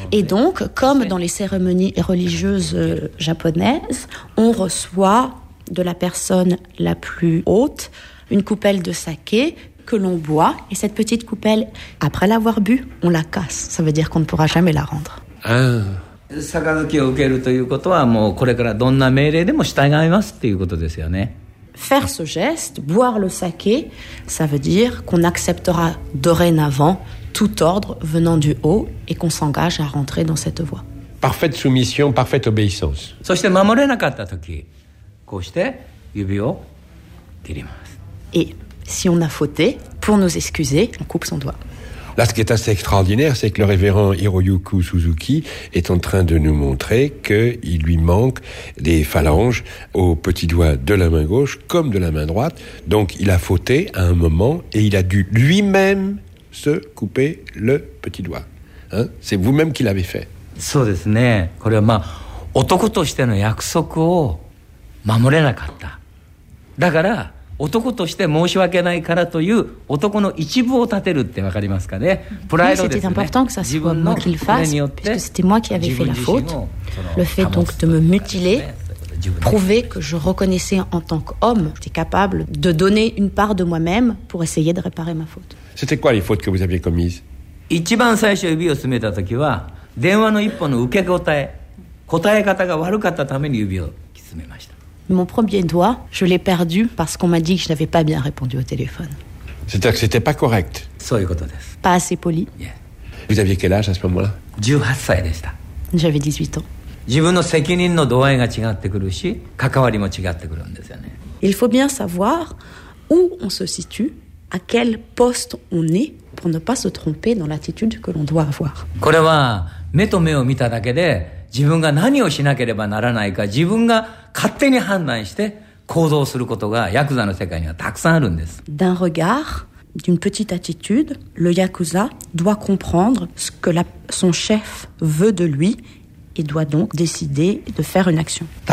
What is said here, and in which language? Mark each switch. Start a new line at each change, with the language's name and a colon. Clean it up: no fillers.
French: Et donc, comme dans les cérémonies religieuses japonaises, on reçoit de la personne la plus haute une coupelle de saké que l'on boit. Et cette petite coupelle, après l'avoir bu, on la casse. Ça veut dire qu'on ne pourra jamais la rendre.
Japanese: Sakazuki o ukeru ということはもうこれからどんな命令でも従いますということですよね。
French: Faire ce geste, boire le saké, ça veut dire qu'on acceptera dorénavant tout ordre venant du haut et qu'on s'engage à rentrer dans cette voie. Parfaite soumission, parfaite obéissance.
Japanese: そして守れなかった時、こうして指を切ります。
French: Et si on a fauté, pour nous excuser, on coupe son doigt. Là, ce qui est assez extraordinaire, c'est que le révérend Hiroyuki Suzuki est en train de nous montrer qu'il lui manque des phalanges au petit doigt de la main gauche comme de la main droite. Donc, il a fauté à un moment et il a dû lui-même se couper le petit doigt. Hein? C'est vous-même qui l'avez fait.
Japanese: そうですね。これはまあ、男としての約束を守れなかった。だから、男として申し訳ないからという男の一部を立てるってわかりますかね。プライドですね。
French: C'était important que ça soit moi qui le fasse, puisque c'était moi qui avais fait la faute. Le fait donc de me mutiler prouvait que je reconnaissais en tant qu'homme, j'étais capable de donner une part de moi-même pour essayer de réparer ma faute. C'était quoi les fautes que vous aviez commises ?
Japanese: 一番最初指を詰めた時は電話の一本の受け答え、答え方が悪かったために指を詰めました。
French: Mon premier doigt, je l'ai perdu parce qu'on m'a dit que je n'avais pas bien répondu au téléphone. C'est-à-dire que ce n'était pas correct. Pas assez poli. Yeah. Vous aviez quel âge à ce moment-là ? 18 ans. J'avais 18 ans.
Japanese: 自分の責任の度合いが違ってくるし、関わりも違ってくるんですよね。
French: Il faut bien savoir où on se situe, à quel poste on est, pour ne pas se tromper dans l'attitude que l'on doit avoir.
Japanese: これは目と目を見ただけで、自分が何をしなければならないか、自分が勝手に判断して行動することがヤクザの世界にはたくさんあるんです。
French: D'un regard, d'une petite attitude, le yakuza doit comprendre ce que son chef veut de lui et doit donc décider de faire une action.